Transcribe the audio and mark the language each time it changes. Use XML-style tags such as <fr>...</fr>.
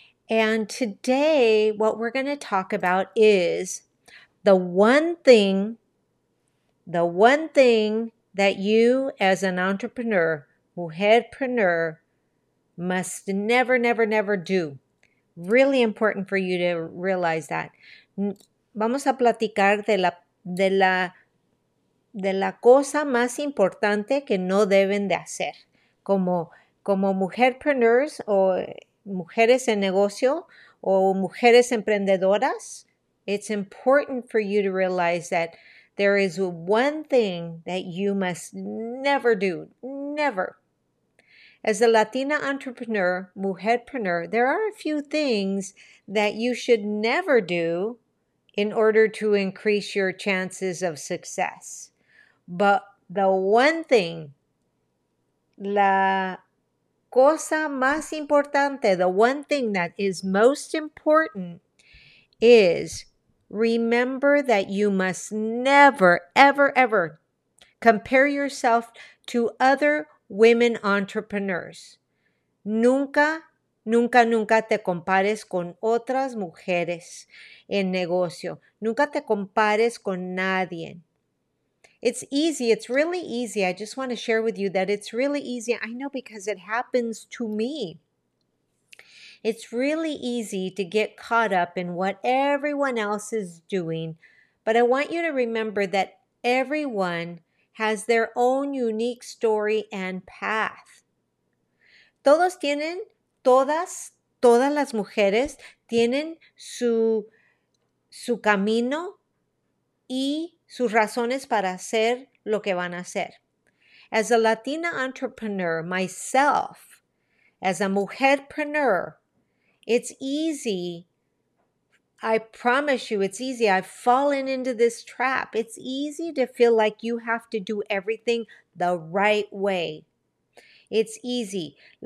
<en>And today, what we're going to talk about is the one thing that you as an entrepreneur, mujerpreneur, must never, never, never do. Really important for you to realize that.</en> <es>Vamos a platicar de la cosa más importante que no deben de hacer. Como mujerpreneurs o mujeres en negocio o mujeres emprendedoras,</es> <en>it's important for you to realize that there is one thing that you must never do, never. As a Latina entrepreneur, mujerpreneur, there are a few things that you should never do in order to increase your chances of success. But the one thing,</en> <es>la cosa más importante,</es> <en>the one thing that is most important is remember that you must never, ever, ever compare yourself to other women entrepreneurs.</en> <es>Nunca, nunca, nunca te compares con otras mujeres en negocio. Nunca te compares con nadie.</es> <en>It's easy. It's really easy. I just want to share with you that it's really easy. I know because it happens to me. It's really easy to get caught up in what everyone else is doing. But I want you to remember that everyone has their own unique story and path.</en> <es>Todas las mujeres tienen su camino y sus razones para hacer lo que van a hacer.</es> <en>As a Latina entrepreneur, myself, as a mujerpreneur, it's easy. I promise you, it's easy. I've fallen into this trap. It's easy to feel like you have to do everything the right way. It's easy.</en>